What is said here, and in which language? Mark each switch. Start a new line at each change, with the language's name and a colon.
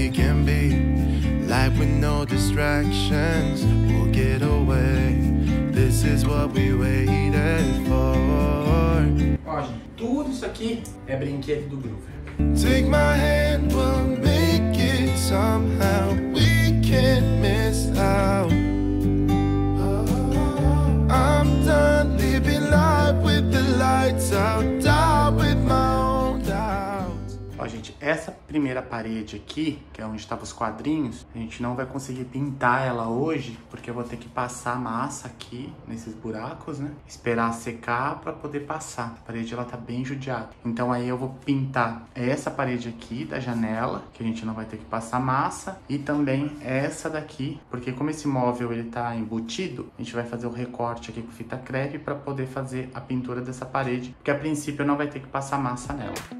English: Life with no distractions, we'll get away. This is what we waited for.
Portuguese: Ó, gente, tudo isso aqui é brinquedo do Groover.
English: Take my hand, we'll make it somehow. We can't miss out. I'm done living life with the lights out. Die with my own doubts.
Portuguese: Ó, gente, essa primeira parede aqui, que é onde estavam os quadrinhos, a gente não vai conseguir pintar ela hoje, porque eu vou ter que passar massa aqui, nesses buracos, né? Esperar secar pra poder passar. A parede, ela tá bem judiada. Então aí eu vou pintar essa parede aqui da janela, que a gente não vai ter que passar massa, e também essa daqui, porque como esse móvel ele tá embutido, a gente vai fazer o recorte aqui com fita crepe pra poder fazer a pintura dessa parede, porque a princípio não vai ter que passar massa nela.